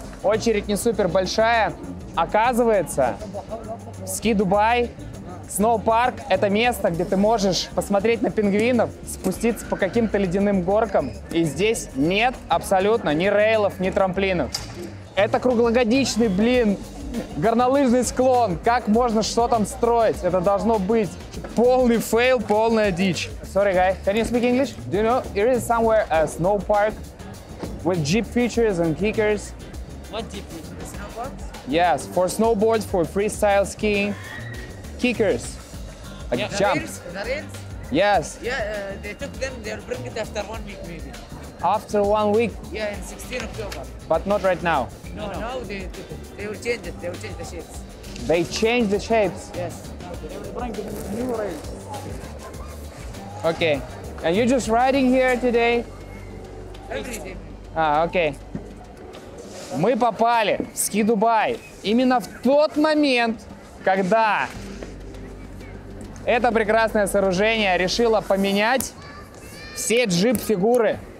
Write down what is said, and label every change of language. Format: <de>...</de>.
<ru>Очередь не супер большая. Оказывается, Ski Dubai, сноупарк – это место, где ты можешь посмотреть на пингвинов, спуститься по каким-то ледяным горкам. И здесь нет абсолютно ни рейлов, ни трамплинов. Это круглогодичный, блин, горнолыжный склон. Как можно что там строить? Это должно быть полный фейл, полная дичь.</ru> <en>Sorry, guy. Can you speak English? Do you know, there is somewhere a snow park with jeep features and kickers? What jeep features? Snowboards? Yes, for snowboards, for freestyle skiing. Kickers. Like yeah, jumps. The rails? Yes. Yeah, they took them, they'll bring it after 1 week maybe. After 1 week? Yeah, in 16 October. But not right now? No. Now they took it. They will change it. They will change the shapes. They change the shapes? Yes. They will bring new rails. Okay. And you're just riding here today? Every day. Okay.</en> <ru>Мы попали в Ski Dubai именно в тот момент, когда это прекрасное сооружение решило поменять все джип-фигуры.</ru>